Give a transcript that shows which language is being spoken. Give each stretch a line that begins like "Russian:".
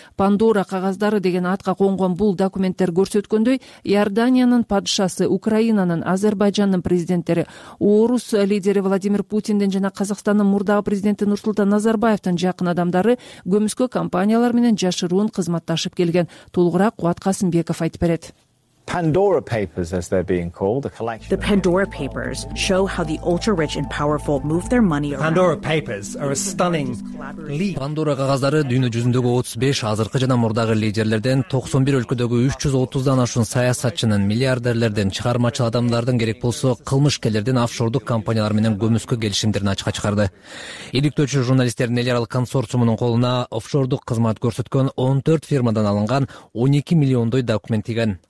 Kyrgyz: Пандора кагаздары деген атка конгон бул документтер көрсөткөндөй, Иорданиянын падышасы, Украинанын, Азербайжандын президенттери, Орус лидери Владимир Путиндин жана Казакстандын мурдагы президенти Нурсултан Назарбаевдин жакын адамдары көмүскө компаниялар менен жашыруун кызматташып келген. Толугураак Кубат Касымбеков айтып берет.
English: Pandora Papers, as they're being called, a collection. The Pandora Papers show how the ultra-rich and powerful move their money around. Pandora Papers are a stunning leap.
Kyrgyz: Pandora кагаздары дүйнө жүзүндөгү 35 азыркы жана мурдагы лидерлерден 91 өлкөдөгү 330 ашуун саясатчынын, миллиардерлерден, чыгармачыл адамдардын керек болсо кылмышкерлердин офшордук компаниялар менен көмүскө келишимдерин ачыкка чыгарды. Иликтөөчү журналисттердин эл аралык консорциумунун колуна офшордук кызмат көрсөткөн 14 фирмадан алынган 12 миллиондой документ тиген.